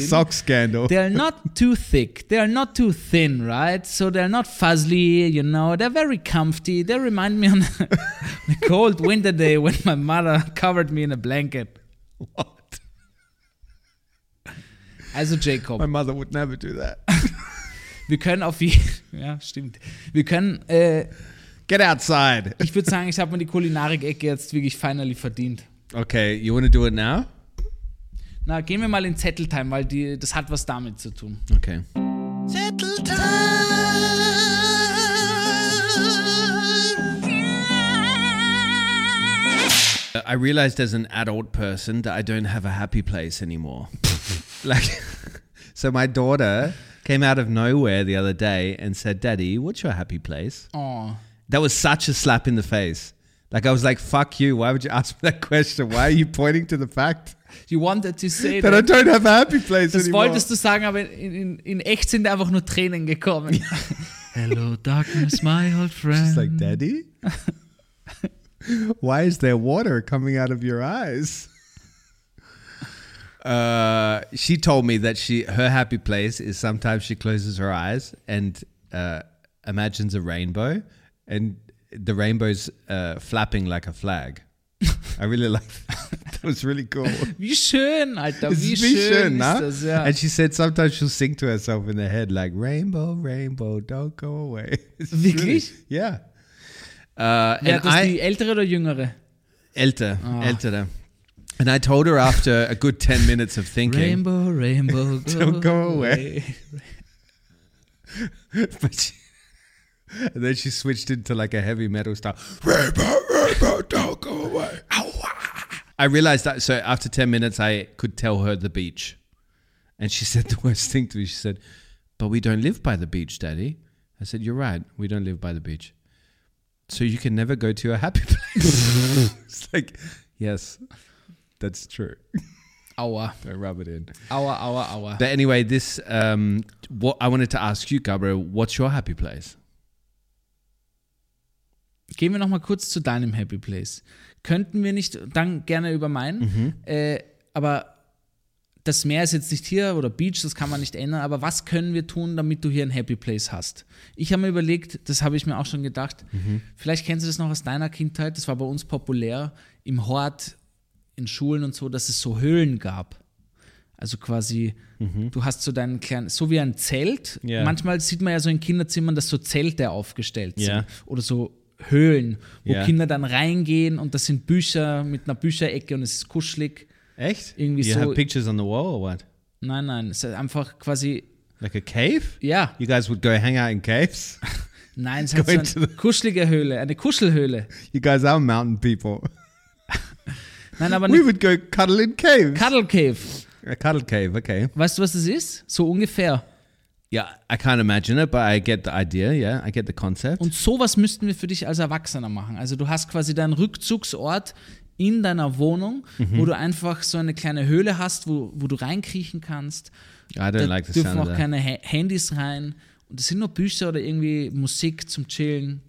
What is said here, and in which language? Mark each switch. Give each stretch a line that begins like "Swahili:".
English: The sock scandal. They're not too thick. They're not too thin, right? So they're not fuzzy, you know. They're very comfy. They remind me on a cold winter day when my mother covered me in a blanket. What? Also Jacob. My mother would never do that.
German: Wir können auf jeden, ja, stimmt. Wir können,
English: get outside.
German: Ich würde sagen, ich habe mir die Kulinarik-Ecke jetzt wirklich
English: finally
German: verdient.
English: Okay, you want to do it now?
German: Na, gehen wir mal in Zettel-Time, weil das hat was damit zu tun.
English: Okay.
German: Zettel-Time.
English: I realized as an adult person that I don't have a happy place anymore. Like, so my daughter came out of nowhere the other day and said, Daddy, what's your happy place? Aww. That was such a slap in the face. Like, I was like, fuck you. Why would you ask me that question? Why are you pointing to the fact? You wanted to say that. That I don't have a happy place
German: das
English: anymore.
German: Das wolltest du sagen, aber in echt sind einfach nur Tränen gekommen.
English: Hello, darkness, my old friend. She's like, Daddy? Why is there water coming out of your eyes? She told me that her happy place is sometimes she closes her eyes and imagines a rainbow. And the rainbow's flapping like a flag. I really like that. That was really cool.
German: Wie schön, Alter. Wie schön, ist das, ja.
English: And she said sometimes she'll sing to herself in the head like, rainbow, rainbow, don't go away. It's
German: wirklich?
English: Really, yeah.
German: Die ältere oder jüngere? Ältere.
English: And I told her after a good 10 minutes of thinking. Rainbow, rainbow, don't go away. But she, and then she switched into like a heavy metal style. Rainbow, rainbow, don't go away. Ow, ah. I realized that. So after 10 minutes, I could tell her the beach. And she said the worst thing to me. She said, but we don't live by the beach, Daddy. I said, you're right. We don't live by the beach. So you can never go to a happy place. It's like, yes, that's true.
German: Aua.
English: Don't rub it in.
German: Aua, aua, aua.
English: But anyway, this, what I wanted to ask you, Gabriel, what's your happy place?
German: Gehen wir nochmal kurz zu deinem Happy Place. Könnten wir nicht, dann gerne über meinen, aber das Meer ist jetzt nicht hier oder Beach, das kann man nicht ändern, aber was können wir tun, damit du hier ein Happy Place hast? Ich habe mir überlegt, das habe ich mir auch schon gedacht, vielleicht kennst du das noch aus deiner Kindheit, das war bei uns populär, im Hort, in Schulen und so, dass es so Höhlen gab. Also quasi, du hast so deinen kleinen, so wie ein Zelt, manchmal sieht man ja so in Kinderzimmern, dass so Zelte aufgestellt sind oder so Höhlen, wo Kinder dann reingehen und das sind Bücher mit einer Bücherecke und es ist kuschelig. Echt? Irgendwie
English: you
German: so.
English: You have pictures on the wall or what?
German: Nein, nein, es ist einfach quasi.
English: Like a cave?
German: Ja.
English: You guys would go hang out in caves?
German: Nein, es ist so eine kuschelige Höhle, eine Kuschelhöhle.
English: You guys are mountain people.
German: Nein, aber
English: we would go cuddle in caves. Cuddle cave. A cuddle cave, okay.
German: Weißt du, was das ist? So ungefähr.
English: Yeah, I can't imagine it, but I get the idea, I get the concept.
German: Und sowas müssten wir für dich als Erwachsener machen. Also du hast quasi deinen Rückzugsort in deiner Wohnung, wo du einfach so eine kleine Höhle hast, wo du reinkriechen kannst.
English: I don't like the sound of that.
German: Da dürfen auch keine Handys rein. Und es sind nur Bücher oder irgendwie Musik zum Chillen.